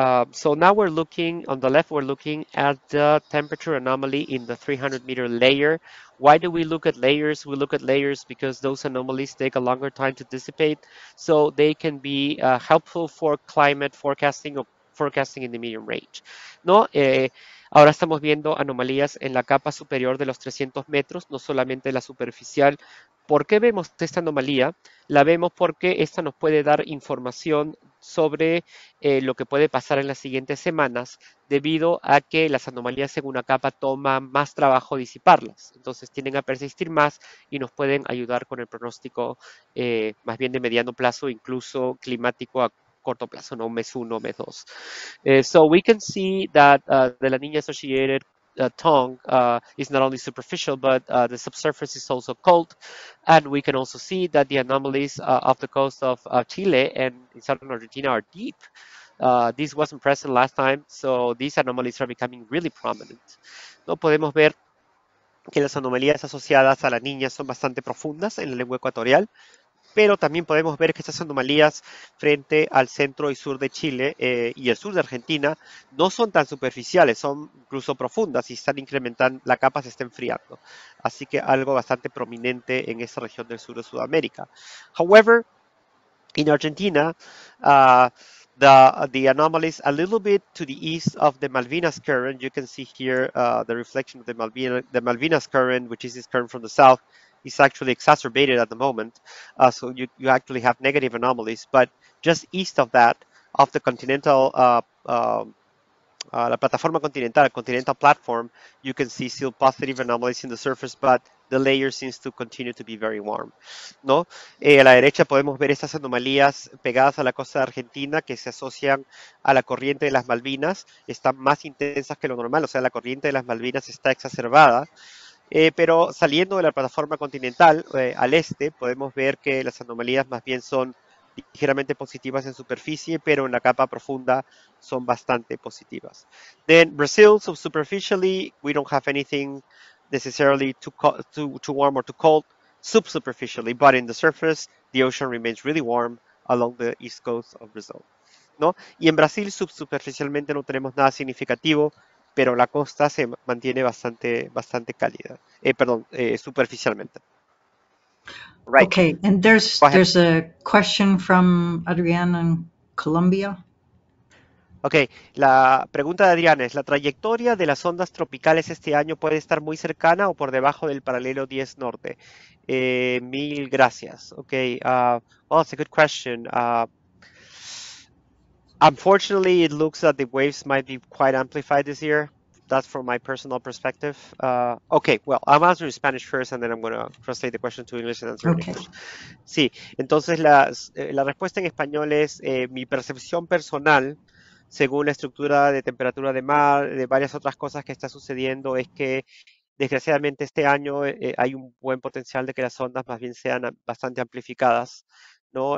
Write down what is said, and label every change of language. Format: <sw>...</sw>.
<en>So now we're looking on the left. We're looking at the temperature anomaly in the 300 meter layer. Why do we look at layers? We look at layers because those anomalies take a longer time to dissipate, so they can be helpful for climate forecasting or forecasting in the medium range.</en> <es>No. Ahora estamos viendo anomalías en la capa superior de los 300 metros, no solamente la superficial. ¿Por qué vemos esta anomalía? La vemos porque esta nos puede dar información sobre lo que puede pasar en las siguientes semanas, debido a que las anomalías en una capa toman más trabajo disiparlas. Entonces, tienden a persistir más y nos pueden ayudar con el pronóstico más bien de mediano plazo, incluso climático a corto plazo, no mes uno, mes dos.</es> <en>So we can see that the La Niña associated tongue is not only superficial, but the subsurface is also cold. And we can also see that the anomalies off the coast of Chile and in southern Argentina are deep. This wasn't present last time, so these anomalies are becoming really prominent.</en> <es>No podemos ver que las anomalías asociadas a La Niña son bastante profundas en la lengua ecuatorial. Pero también podemos ver que estas anomalías frente al centro y sur de Chile y el sur de Argentina no son tan superficiales, son incluso profundas y están incrementando, la capa se está enfriando. Así que algo bastante prominente en esta región del sur de Sudamérica.</es> <en>However, in Argentina, the anomalies a little bit to the east of the Malvinas Current, you can see here the reflection of the Malvinas Current, which is this current from the south, is actually exacerbated at the moment. So you actually have negative anomalies, but just east of that, of the continental,</en> <es>la plataforma continental,</es> <en>continental platform, you can see still positive anomalies in the surface, but the layer seems to continue to be very warm.</en> <es>¿No? A la derecha podemos ver estas anomalías pegadas a la costa de Argentina que se asocian a la corriente de las Malvinas. Están más intensas que lo normal, o sea, la corriente de las Malvinas está exacerbada. Pero saliendo de la plataforma continental al este, podemos ver que las anomalías más bien son ligeramente positivas en superficie, pero en la capa profunda son bastante positivas.</es> <en>Then Brazil, so superficially, we don't have anything necessarily too warm or too cold, subsuperficially, but in the surface, the ocean remains really warm along the east coast of Brazil.</en> <es>¿No? Y en Brasil, subsuperficialmente, no tenemos nada significativo, pero la costa se mantiene bastante, bastante cálida, superficialmente.</es> <en>Right. Okay, and there's a question from Adrián in Colombia.</en> <es>Okay, la pregunta de Adrián es, ¿la trayectoria de las ondas tropicales este año puede estar muy cercana o por debajo del paralelo 10 norte? Mil gracias.</es> <en>Okay, well, that's a good question. Unfortunately, it looks that the waves might be quite amplified this year. That's from my personal perspective. Okay, well, I'm answering Spanish first, and then I'm going to translate the question to English and answer okay. In English.</en> <es>Sí, entonces la respuesta en español es mi percepción personal, según la estructura de temperatura de mar, de varias otras cosas que está sucediendo, es que desgraciadamente este año hay un buen potencial de que las ondas más bien sean bastante amplificadas. ¿No?</es>